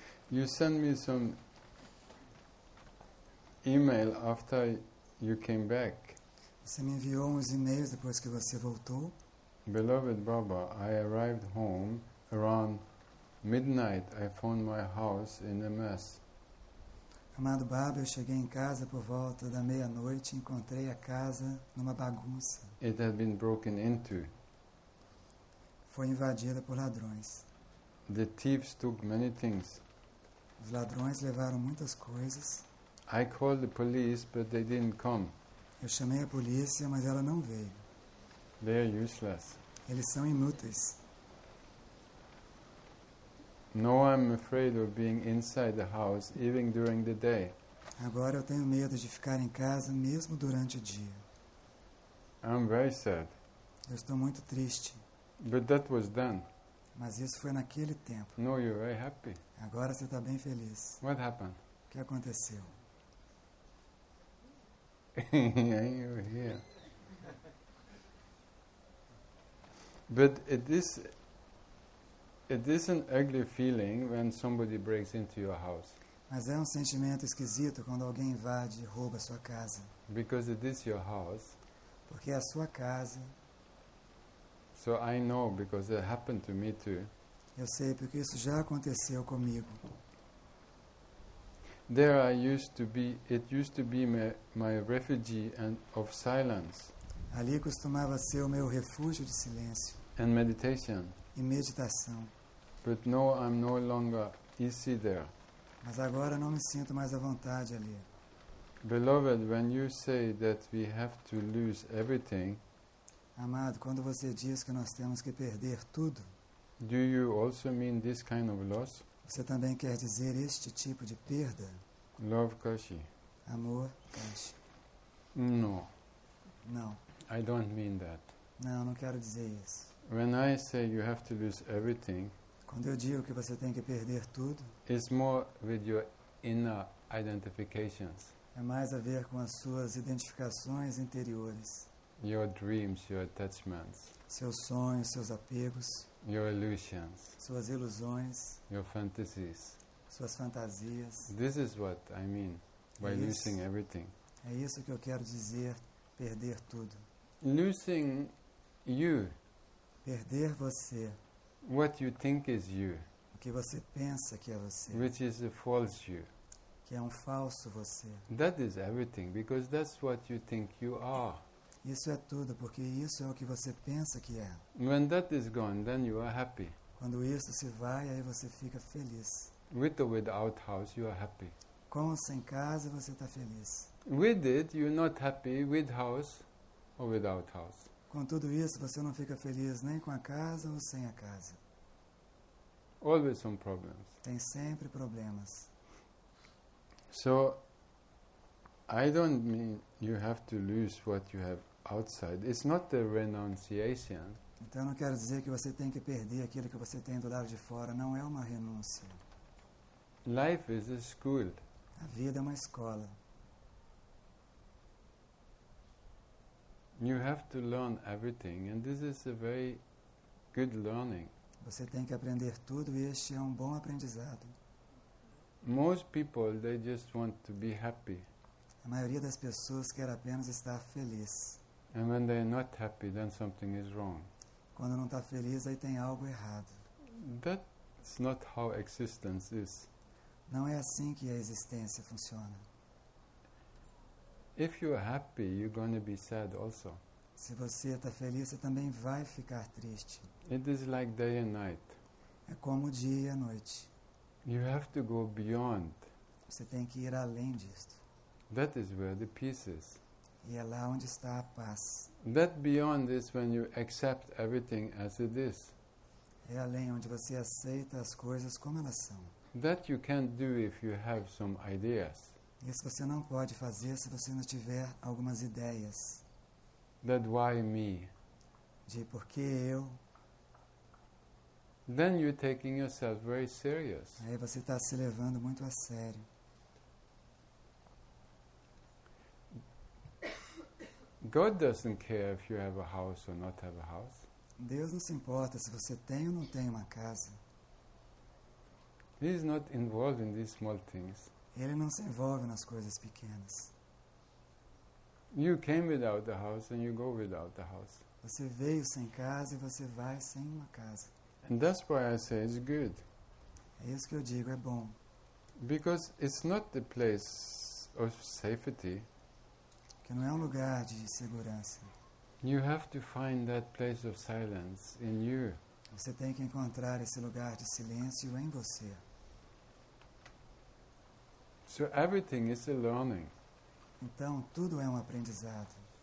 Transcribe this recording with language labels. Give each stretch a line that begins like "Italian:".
English: You send me some email after you came back.
Portuguese: Você me enviou uns e-mails depois que você voltou.
English: Beloved Baba, I arrived home around midnight. I found my house in a mess.
Portuguese: Amado Baba, eu cheguei em casa por volta da meia-noite e encontrei a casa numa bagunça.
English: It had been broken into.
Portuguese: Foi invadida por ladrões.
English: The thieves took many things.
Portuguese: Os ladrões levaram muitas coisas.
English: I called the police, but they didn't come.
Portuguese: Eu chamei a polícia, mas ela não veio.
English: They are useless.
Portuguese: Eles são inúteis.
English: No, I'm afraid of being inside the house even during the day.
Portuguese: Agora eu tenho medo de ficar em casa mesmo durante o dia.
English: I'm very sad.
Portuguese: Eu estou muito triste.
English: But that was then.
Portuguese: Mas isso foi naquele tempo.
English: No, you're very happy.
Portuguese: Agora você está bem feliz.
English: What happened?
Portuguese: O que aconteceu?
English: You're here. But it is an ugly feeling when somebody breaks into your house.
Portuguese: Mas é um sentimento esquisito quando alguém invade e rouba a sua casa.
English: Because it is your house.
Portuguese: Porque é a sua casa.
English: So I know because it happened to me too.
Portuguese: Eu sei porque isso já aconteceu comigo.
English: There I used to be. It used to be my refuge and of silence.
Portuguese: Ali costumava ser o meu refúgio de silêncio.
English: And meditation.
Portuguese: E meditação.
English: But no, I'm no longer easy there.
Portuguese: Mas agora não me sinto mais à vontade ali.
English: Beloved, when you say that we have to lose everything.
Portuguese: Amado, quando você diz que nós temos que perder tudo.
English: Do you also mean this kind of loss?
Portuguese: Você também quer dizer este tipo de perda?
English: Love, Kashi.
Portuguese: Amor, Kashi.
English: No.
Portuguese: Não.
English: I don't mean that.
Portuguese: Não, não quero dizer isso.
English: When I say you have to lose everything,
Portuguese: quando eu digo que você tem que perder tudo,
English: it's more with your inner identifications.
Portuguese: É mais a ver com as suas identificações interiores.
English: Your dreams, your attachments.
Portuguese: Seus sonhos, seus apegos.
English: Your illusions.
Portuguese: Suas ilusões.
English: Your fantasies.
Portuguese: Suas fantasias.
English: This is what I mean by losing everything.
Portuguese: É isso que eu quero dizer, perder tudo.
English: Losing you.
Portuguese: Perder você.
English: What you think is you.
Portuguese: O que você pensa que é você.
English: Which is a false you.
Portuguese: Que é um falso você.
English: That is everything, because that's what you think you are.
Portuguese: Isso é tudo, porque isso é o que você pensa que é.
English: When that is gone, then you are happy.
Portuguese: Quando isso se vai, aí você fica feliz.
English: With or without house, you are happy.
Portuguese: Com ou sem casa, você está feliz.
English: With it, you are not happy, with house or without house.
Portuguese: Com tudo isso, você não fica feliz nem com a casa ou sem a casa.
English: Always some problems.
Portuguese: Tem sempre problemas.
English: So, I don't mean you have to lose what you have outside. It's not the renunciation.
Portuguese: Então, eu não quero dizer que você tem que perder aquilo que você tem do lado de fora. Não é uma renúncia.
English: Life is a school.
Portuguese: A vida é uma escola.
English: You have to learn everything, and this is a very good learning.
Portuguese: Você tem que aprender tudo, e este é um bom aprendizado.
English: Most people, they just want to be happy.
Portuguese: A maioria das pessoas quer apenas estar feliz.
English: And when they're not happy, then something is wrong.
Portuguese: Quando não está feliz, aí tem algo errado.
English: That's not how existence is.
Portuguese: Não é assim que a existência funciona.
English: If you're happy, you're going to be sad also.
Portuguese: Se você está feliz, você também vai ficar triste.
English: It is like day and night.
Portuguese: É como dia e noite.
English: You have to go beyond.
Portuguese: Você tem que ir além disto.
English: That is where the peace is.
Portuguese: E é lá onde está a paz.
English: That beyond is when you accept everything as it is.
Portuguese: É além onde você aceita as coisas como elas são.
English: That you can't do if you have some ideas.
Portuguese: Isso você não pode fazer se você não tiver algumas ideias.
English: That why me?
Portuguese: De por que eu?
English: Then you're taking yourself very serious.
Portuguese: Aí você está se levando muito a sério.
English: God doesn't care if you have a house or not have a house.
Portuguese: Deus não se importa se você tem ou não tem uma casa.
English: He is not involved in these small things.
Portuguese: Ele não se envolve nas coisas pequenas.
English: You came without the house and you go without the house.
Portuguese: Você veio sem casa e você vai sem uma casa.
English: And that's why I say it's good.
Portuguese: É isso que eu digo, é bom.
English: Because it's not the place of safety.
Portuguese: Que não é um lugar de segurança.
English: You have to find that place of silence in you.
Portuguese: Você tem que encontrar esse lugar de silêncio em você.
English: So everything is a learning.
Portuguese: Então tudo é um aprendizado.